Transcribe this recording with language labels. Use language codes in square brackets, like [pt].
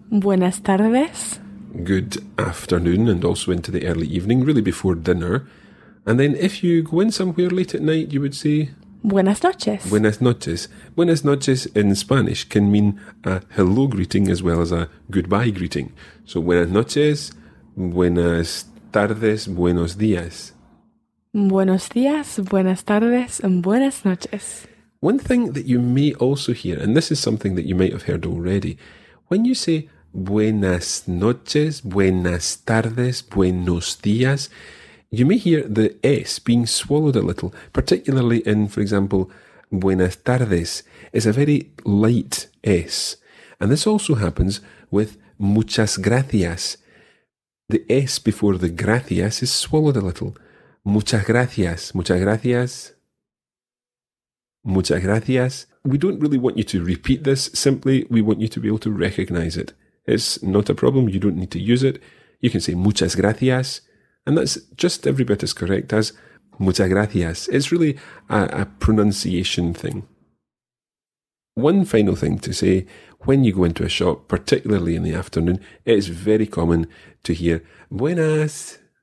[es] Buenas tardes. [en] Good afternoon, and also into the early evening, really before dinner. And then if you go in somewhere late at night, you would say [es] buenas noches. Buenas noches. Buenas noches [en] in Spanish can mean a hello greeting as well as a goodbye greeting. [es] So buenas noches, buenas tardes, buenos días. Buenos días, buenas tardes, and buenas noches. [en] One thing that you may also hear, and this is something that you might have heard already, when you say [es] buenas noches, buenas tardes, buenos días, [en] you may hear the S being swallowed a little, particularly in, for example, [es] buenas tardes. [en] It's a very light S. And this also happens with [es] muchas gracias. [en] The S before the gracias is swallowed a little. [es] Muchas gracias, muchas gracias, muchas gracias. [en] We don't really want you to repeat this, simply we want you to be able to recognize it. It's not a problem, you don't need to use it. You can say [es] muchas gracias, [en] and that's just every bit as correct as muchas gracias. It's really a pronunciation thing. One final thing to say, when you go into a shop, particularly in the afternoon, it's very common to hear [es] buenas.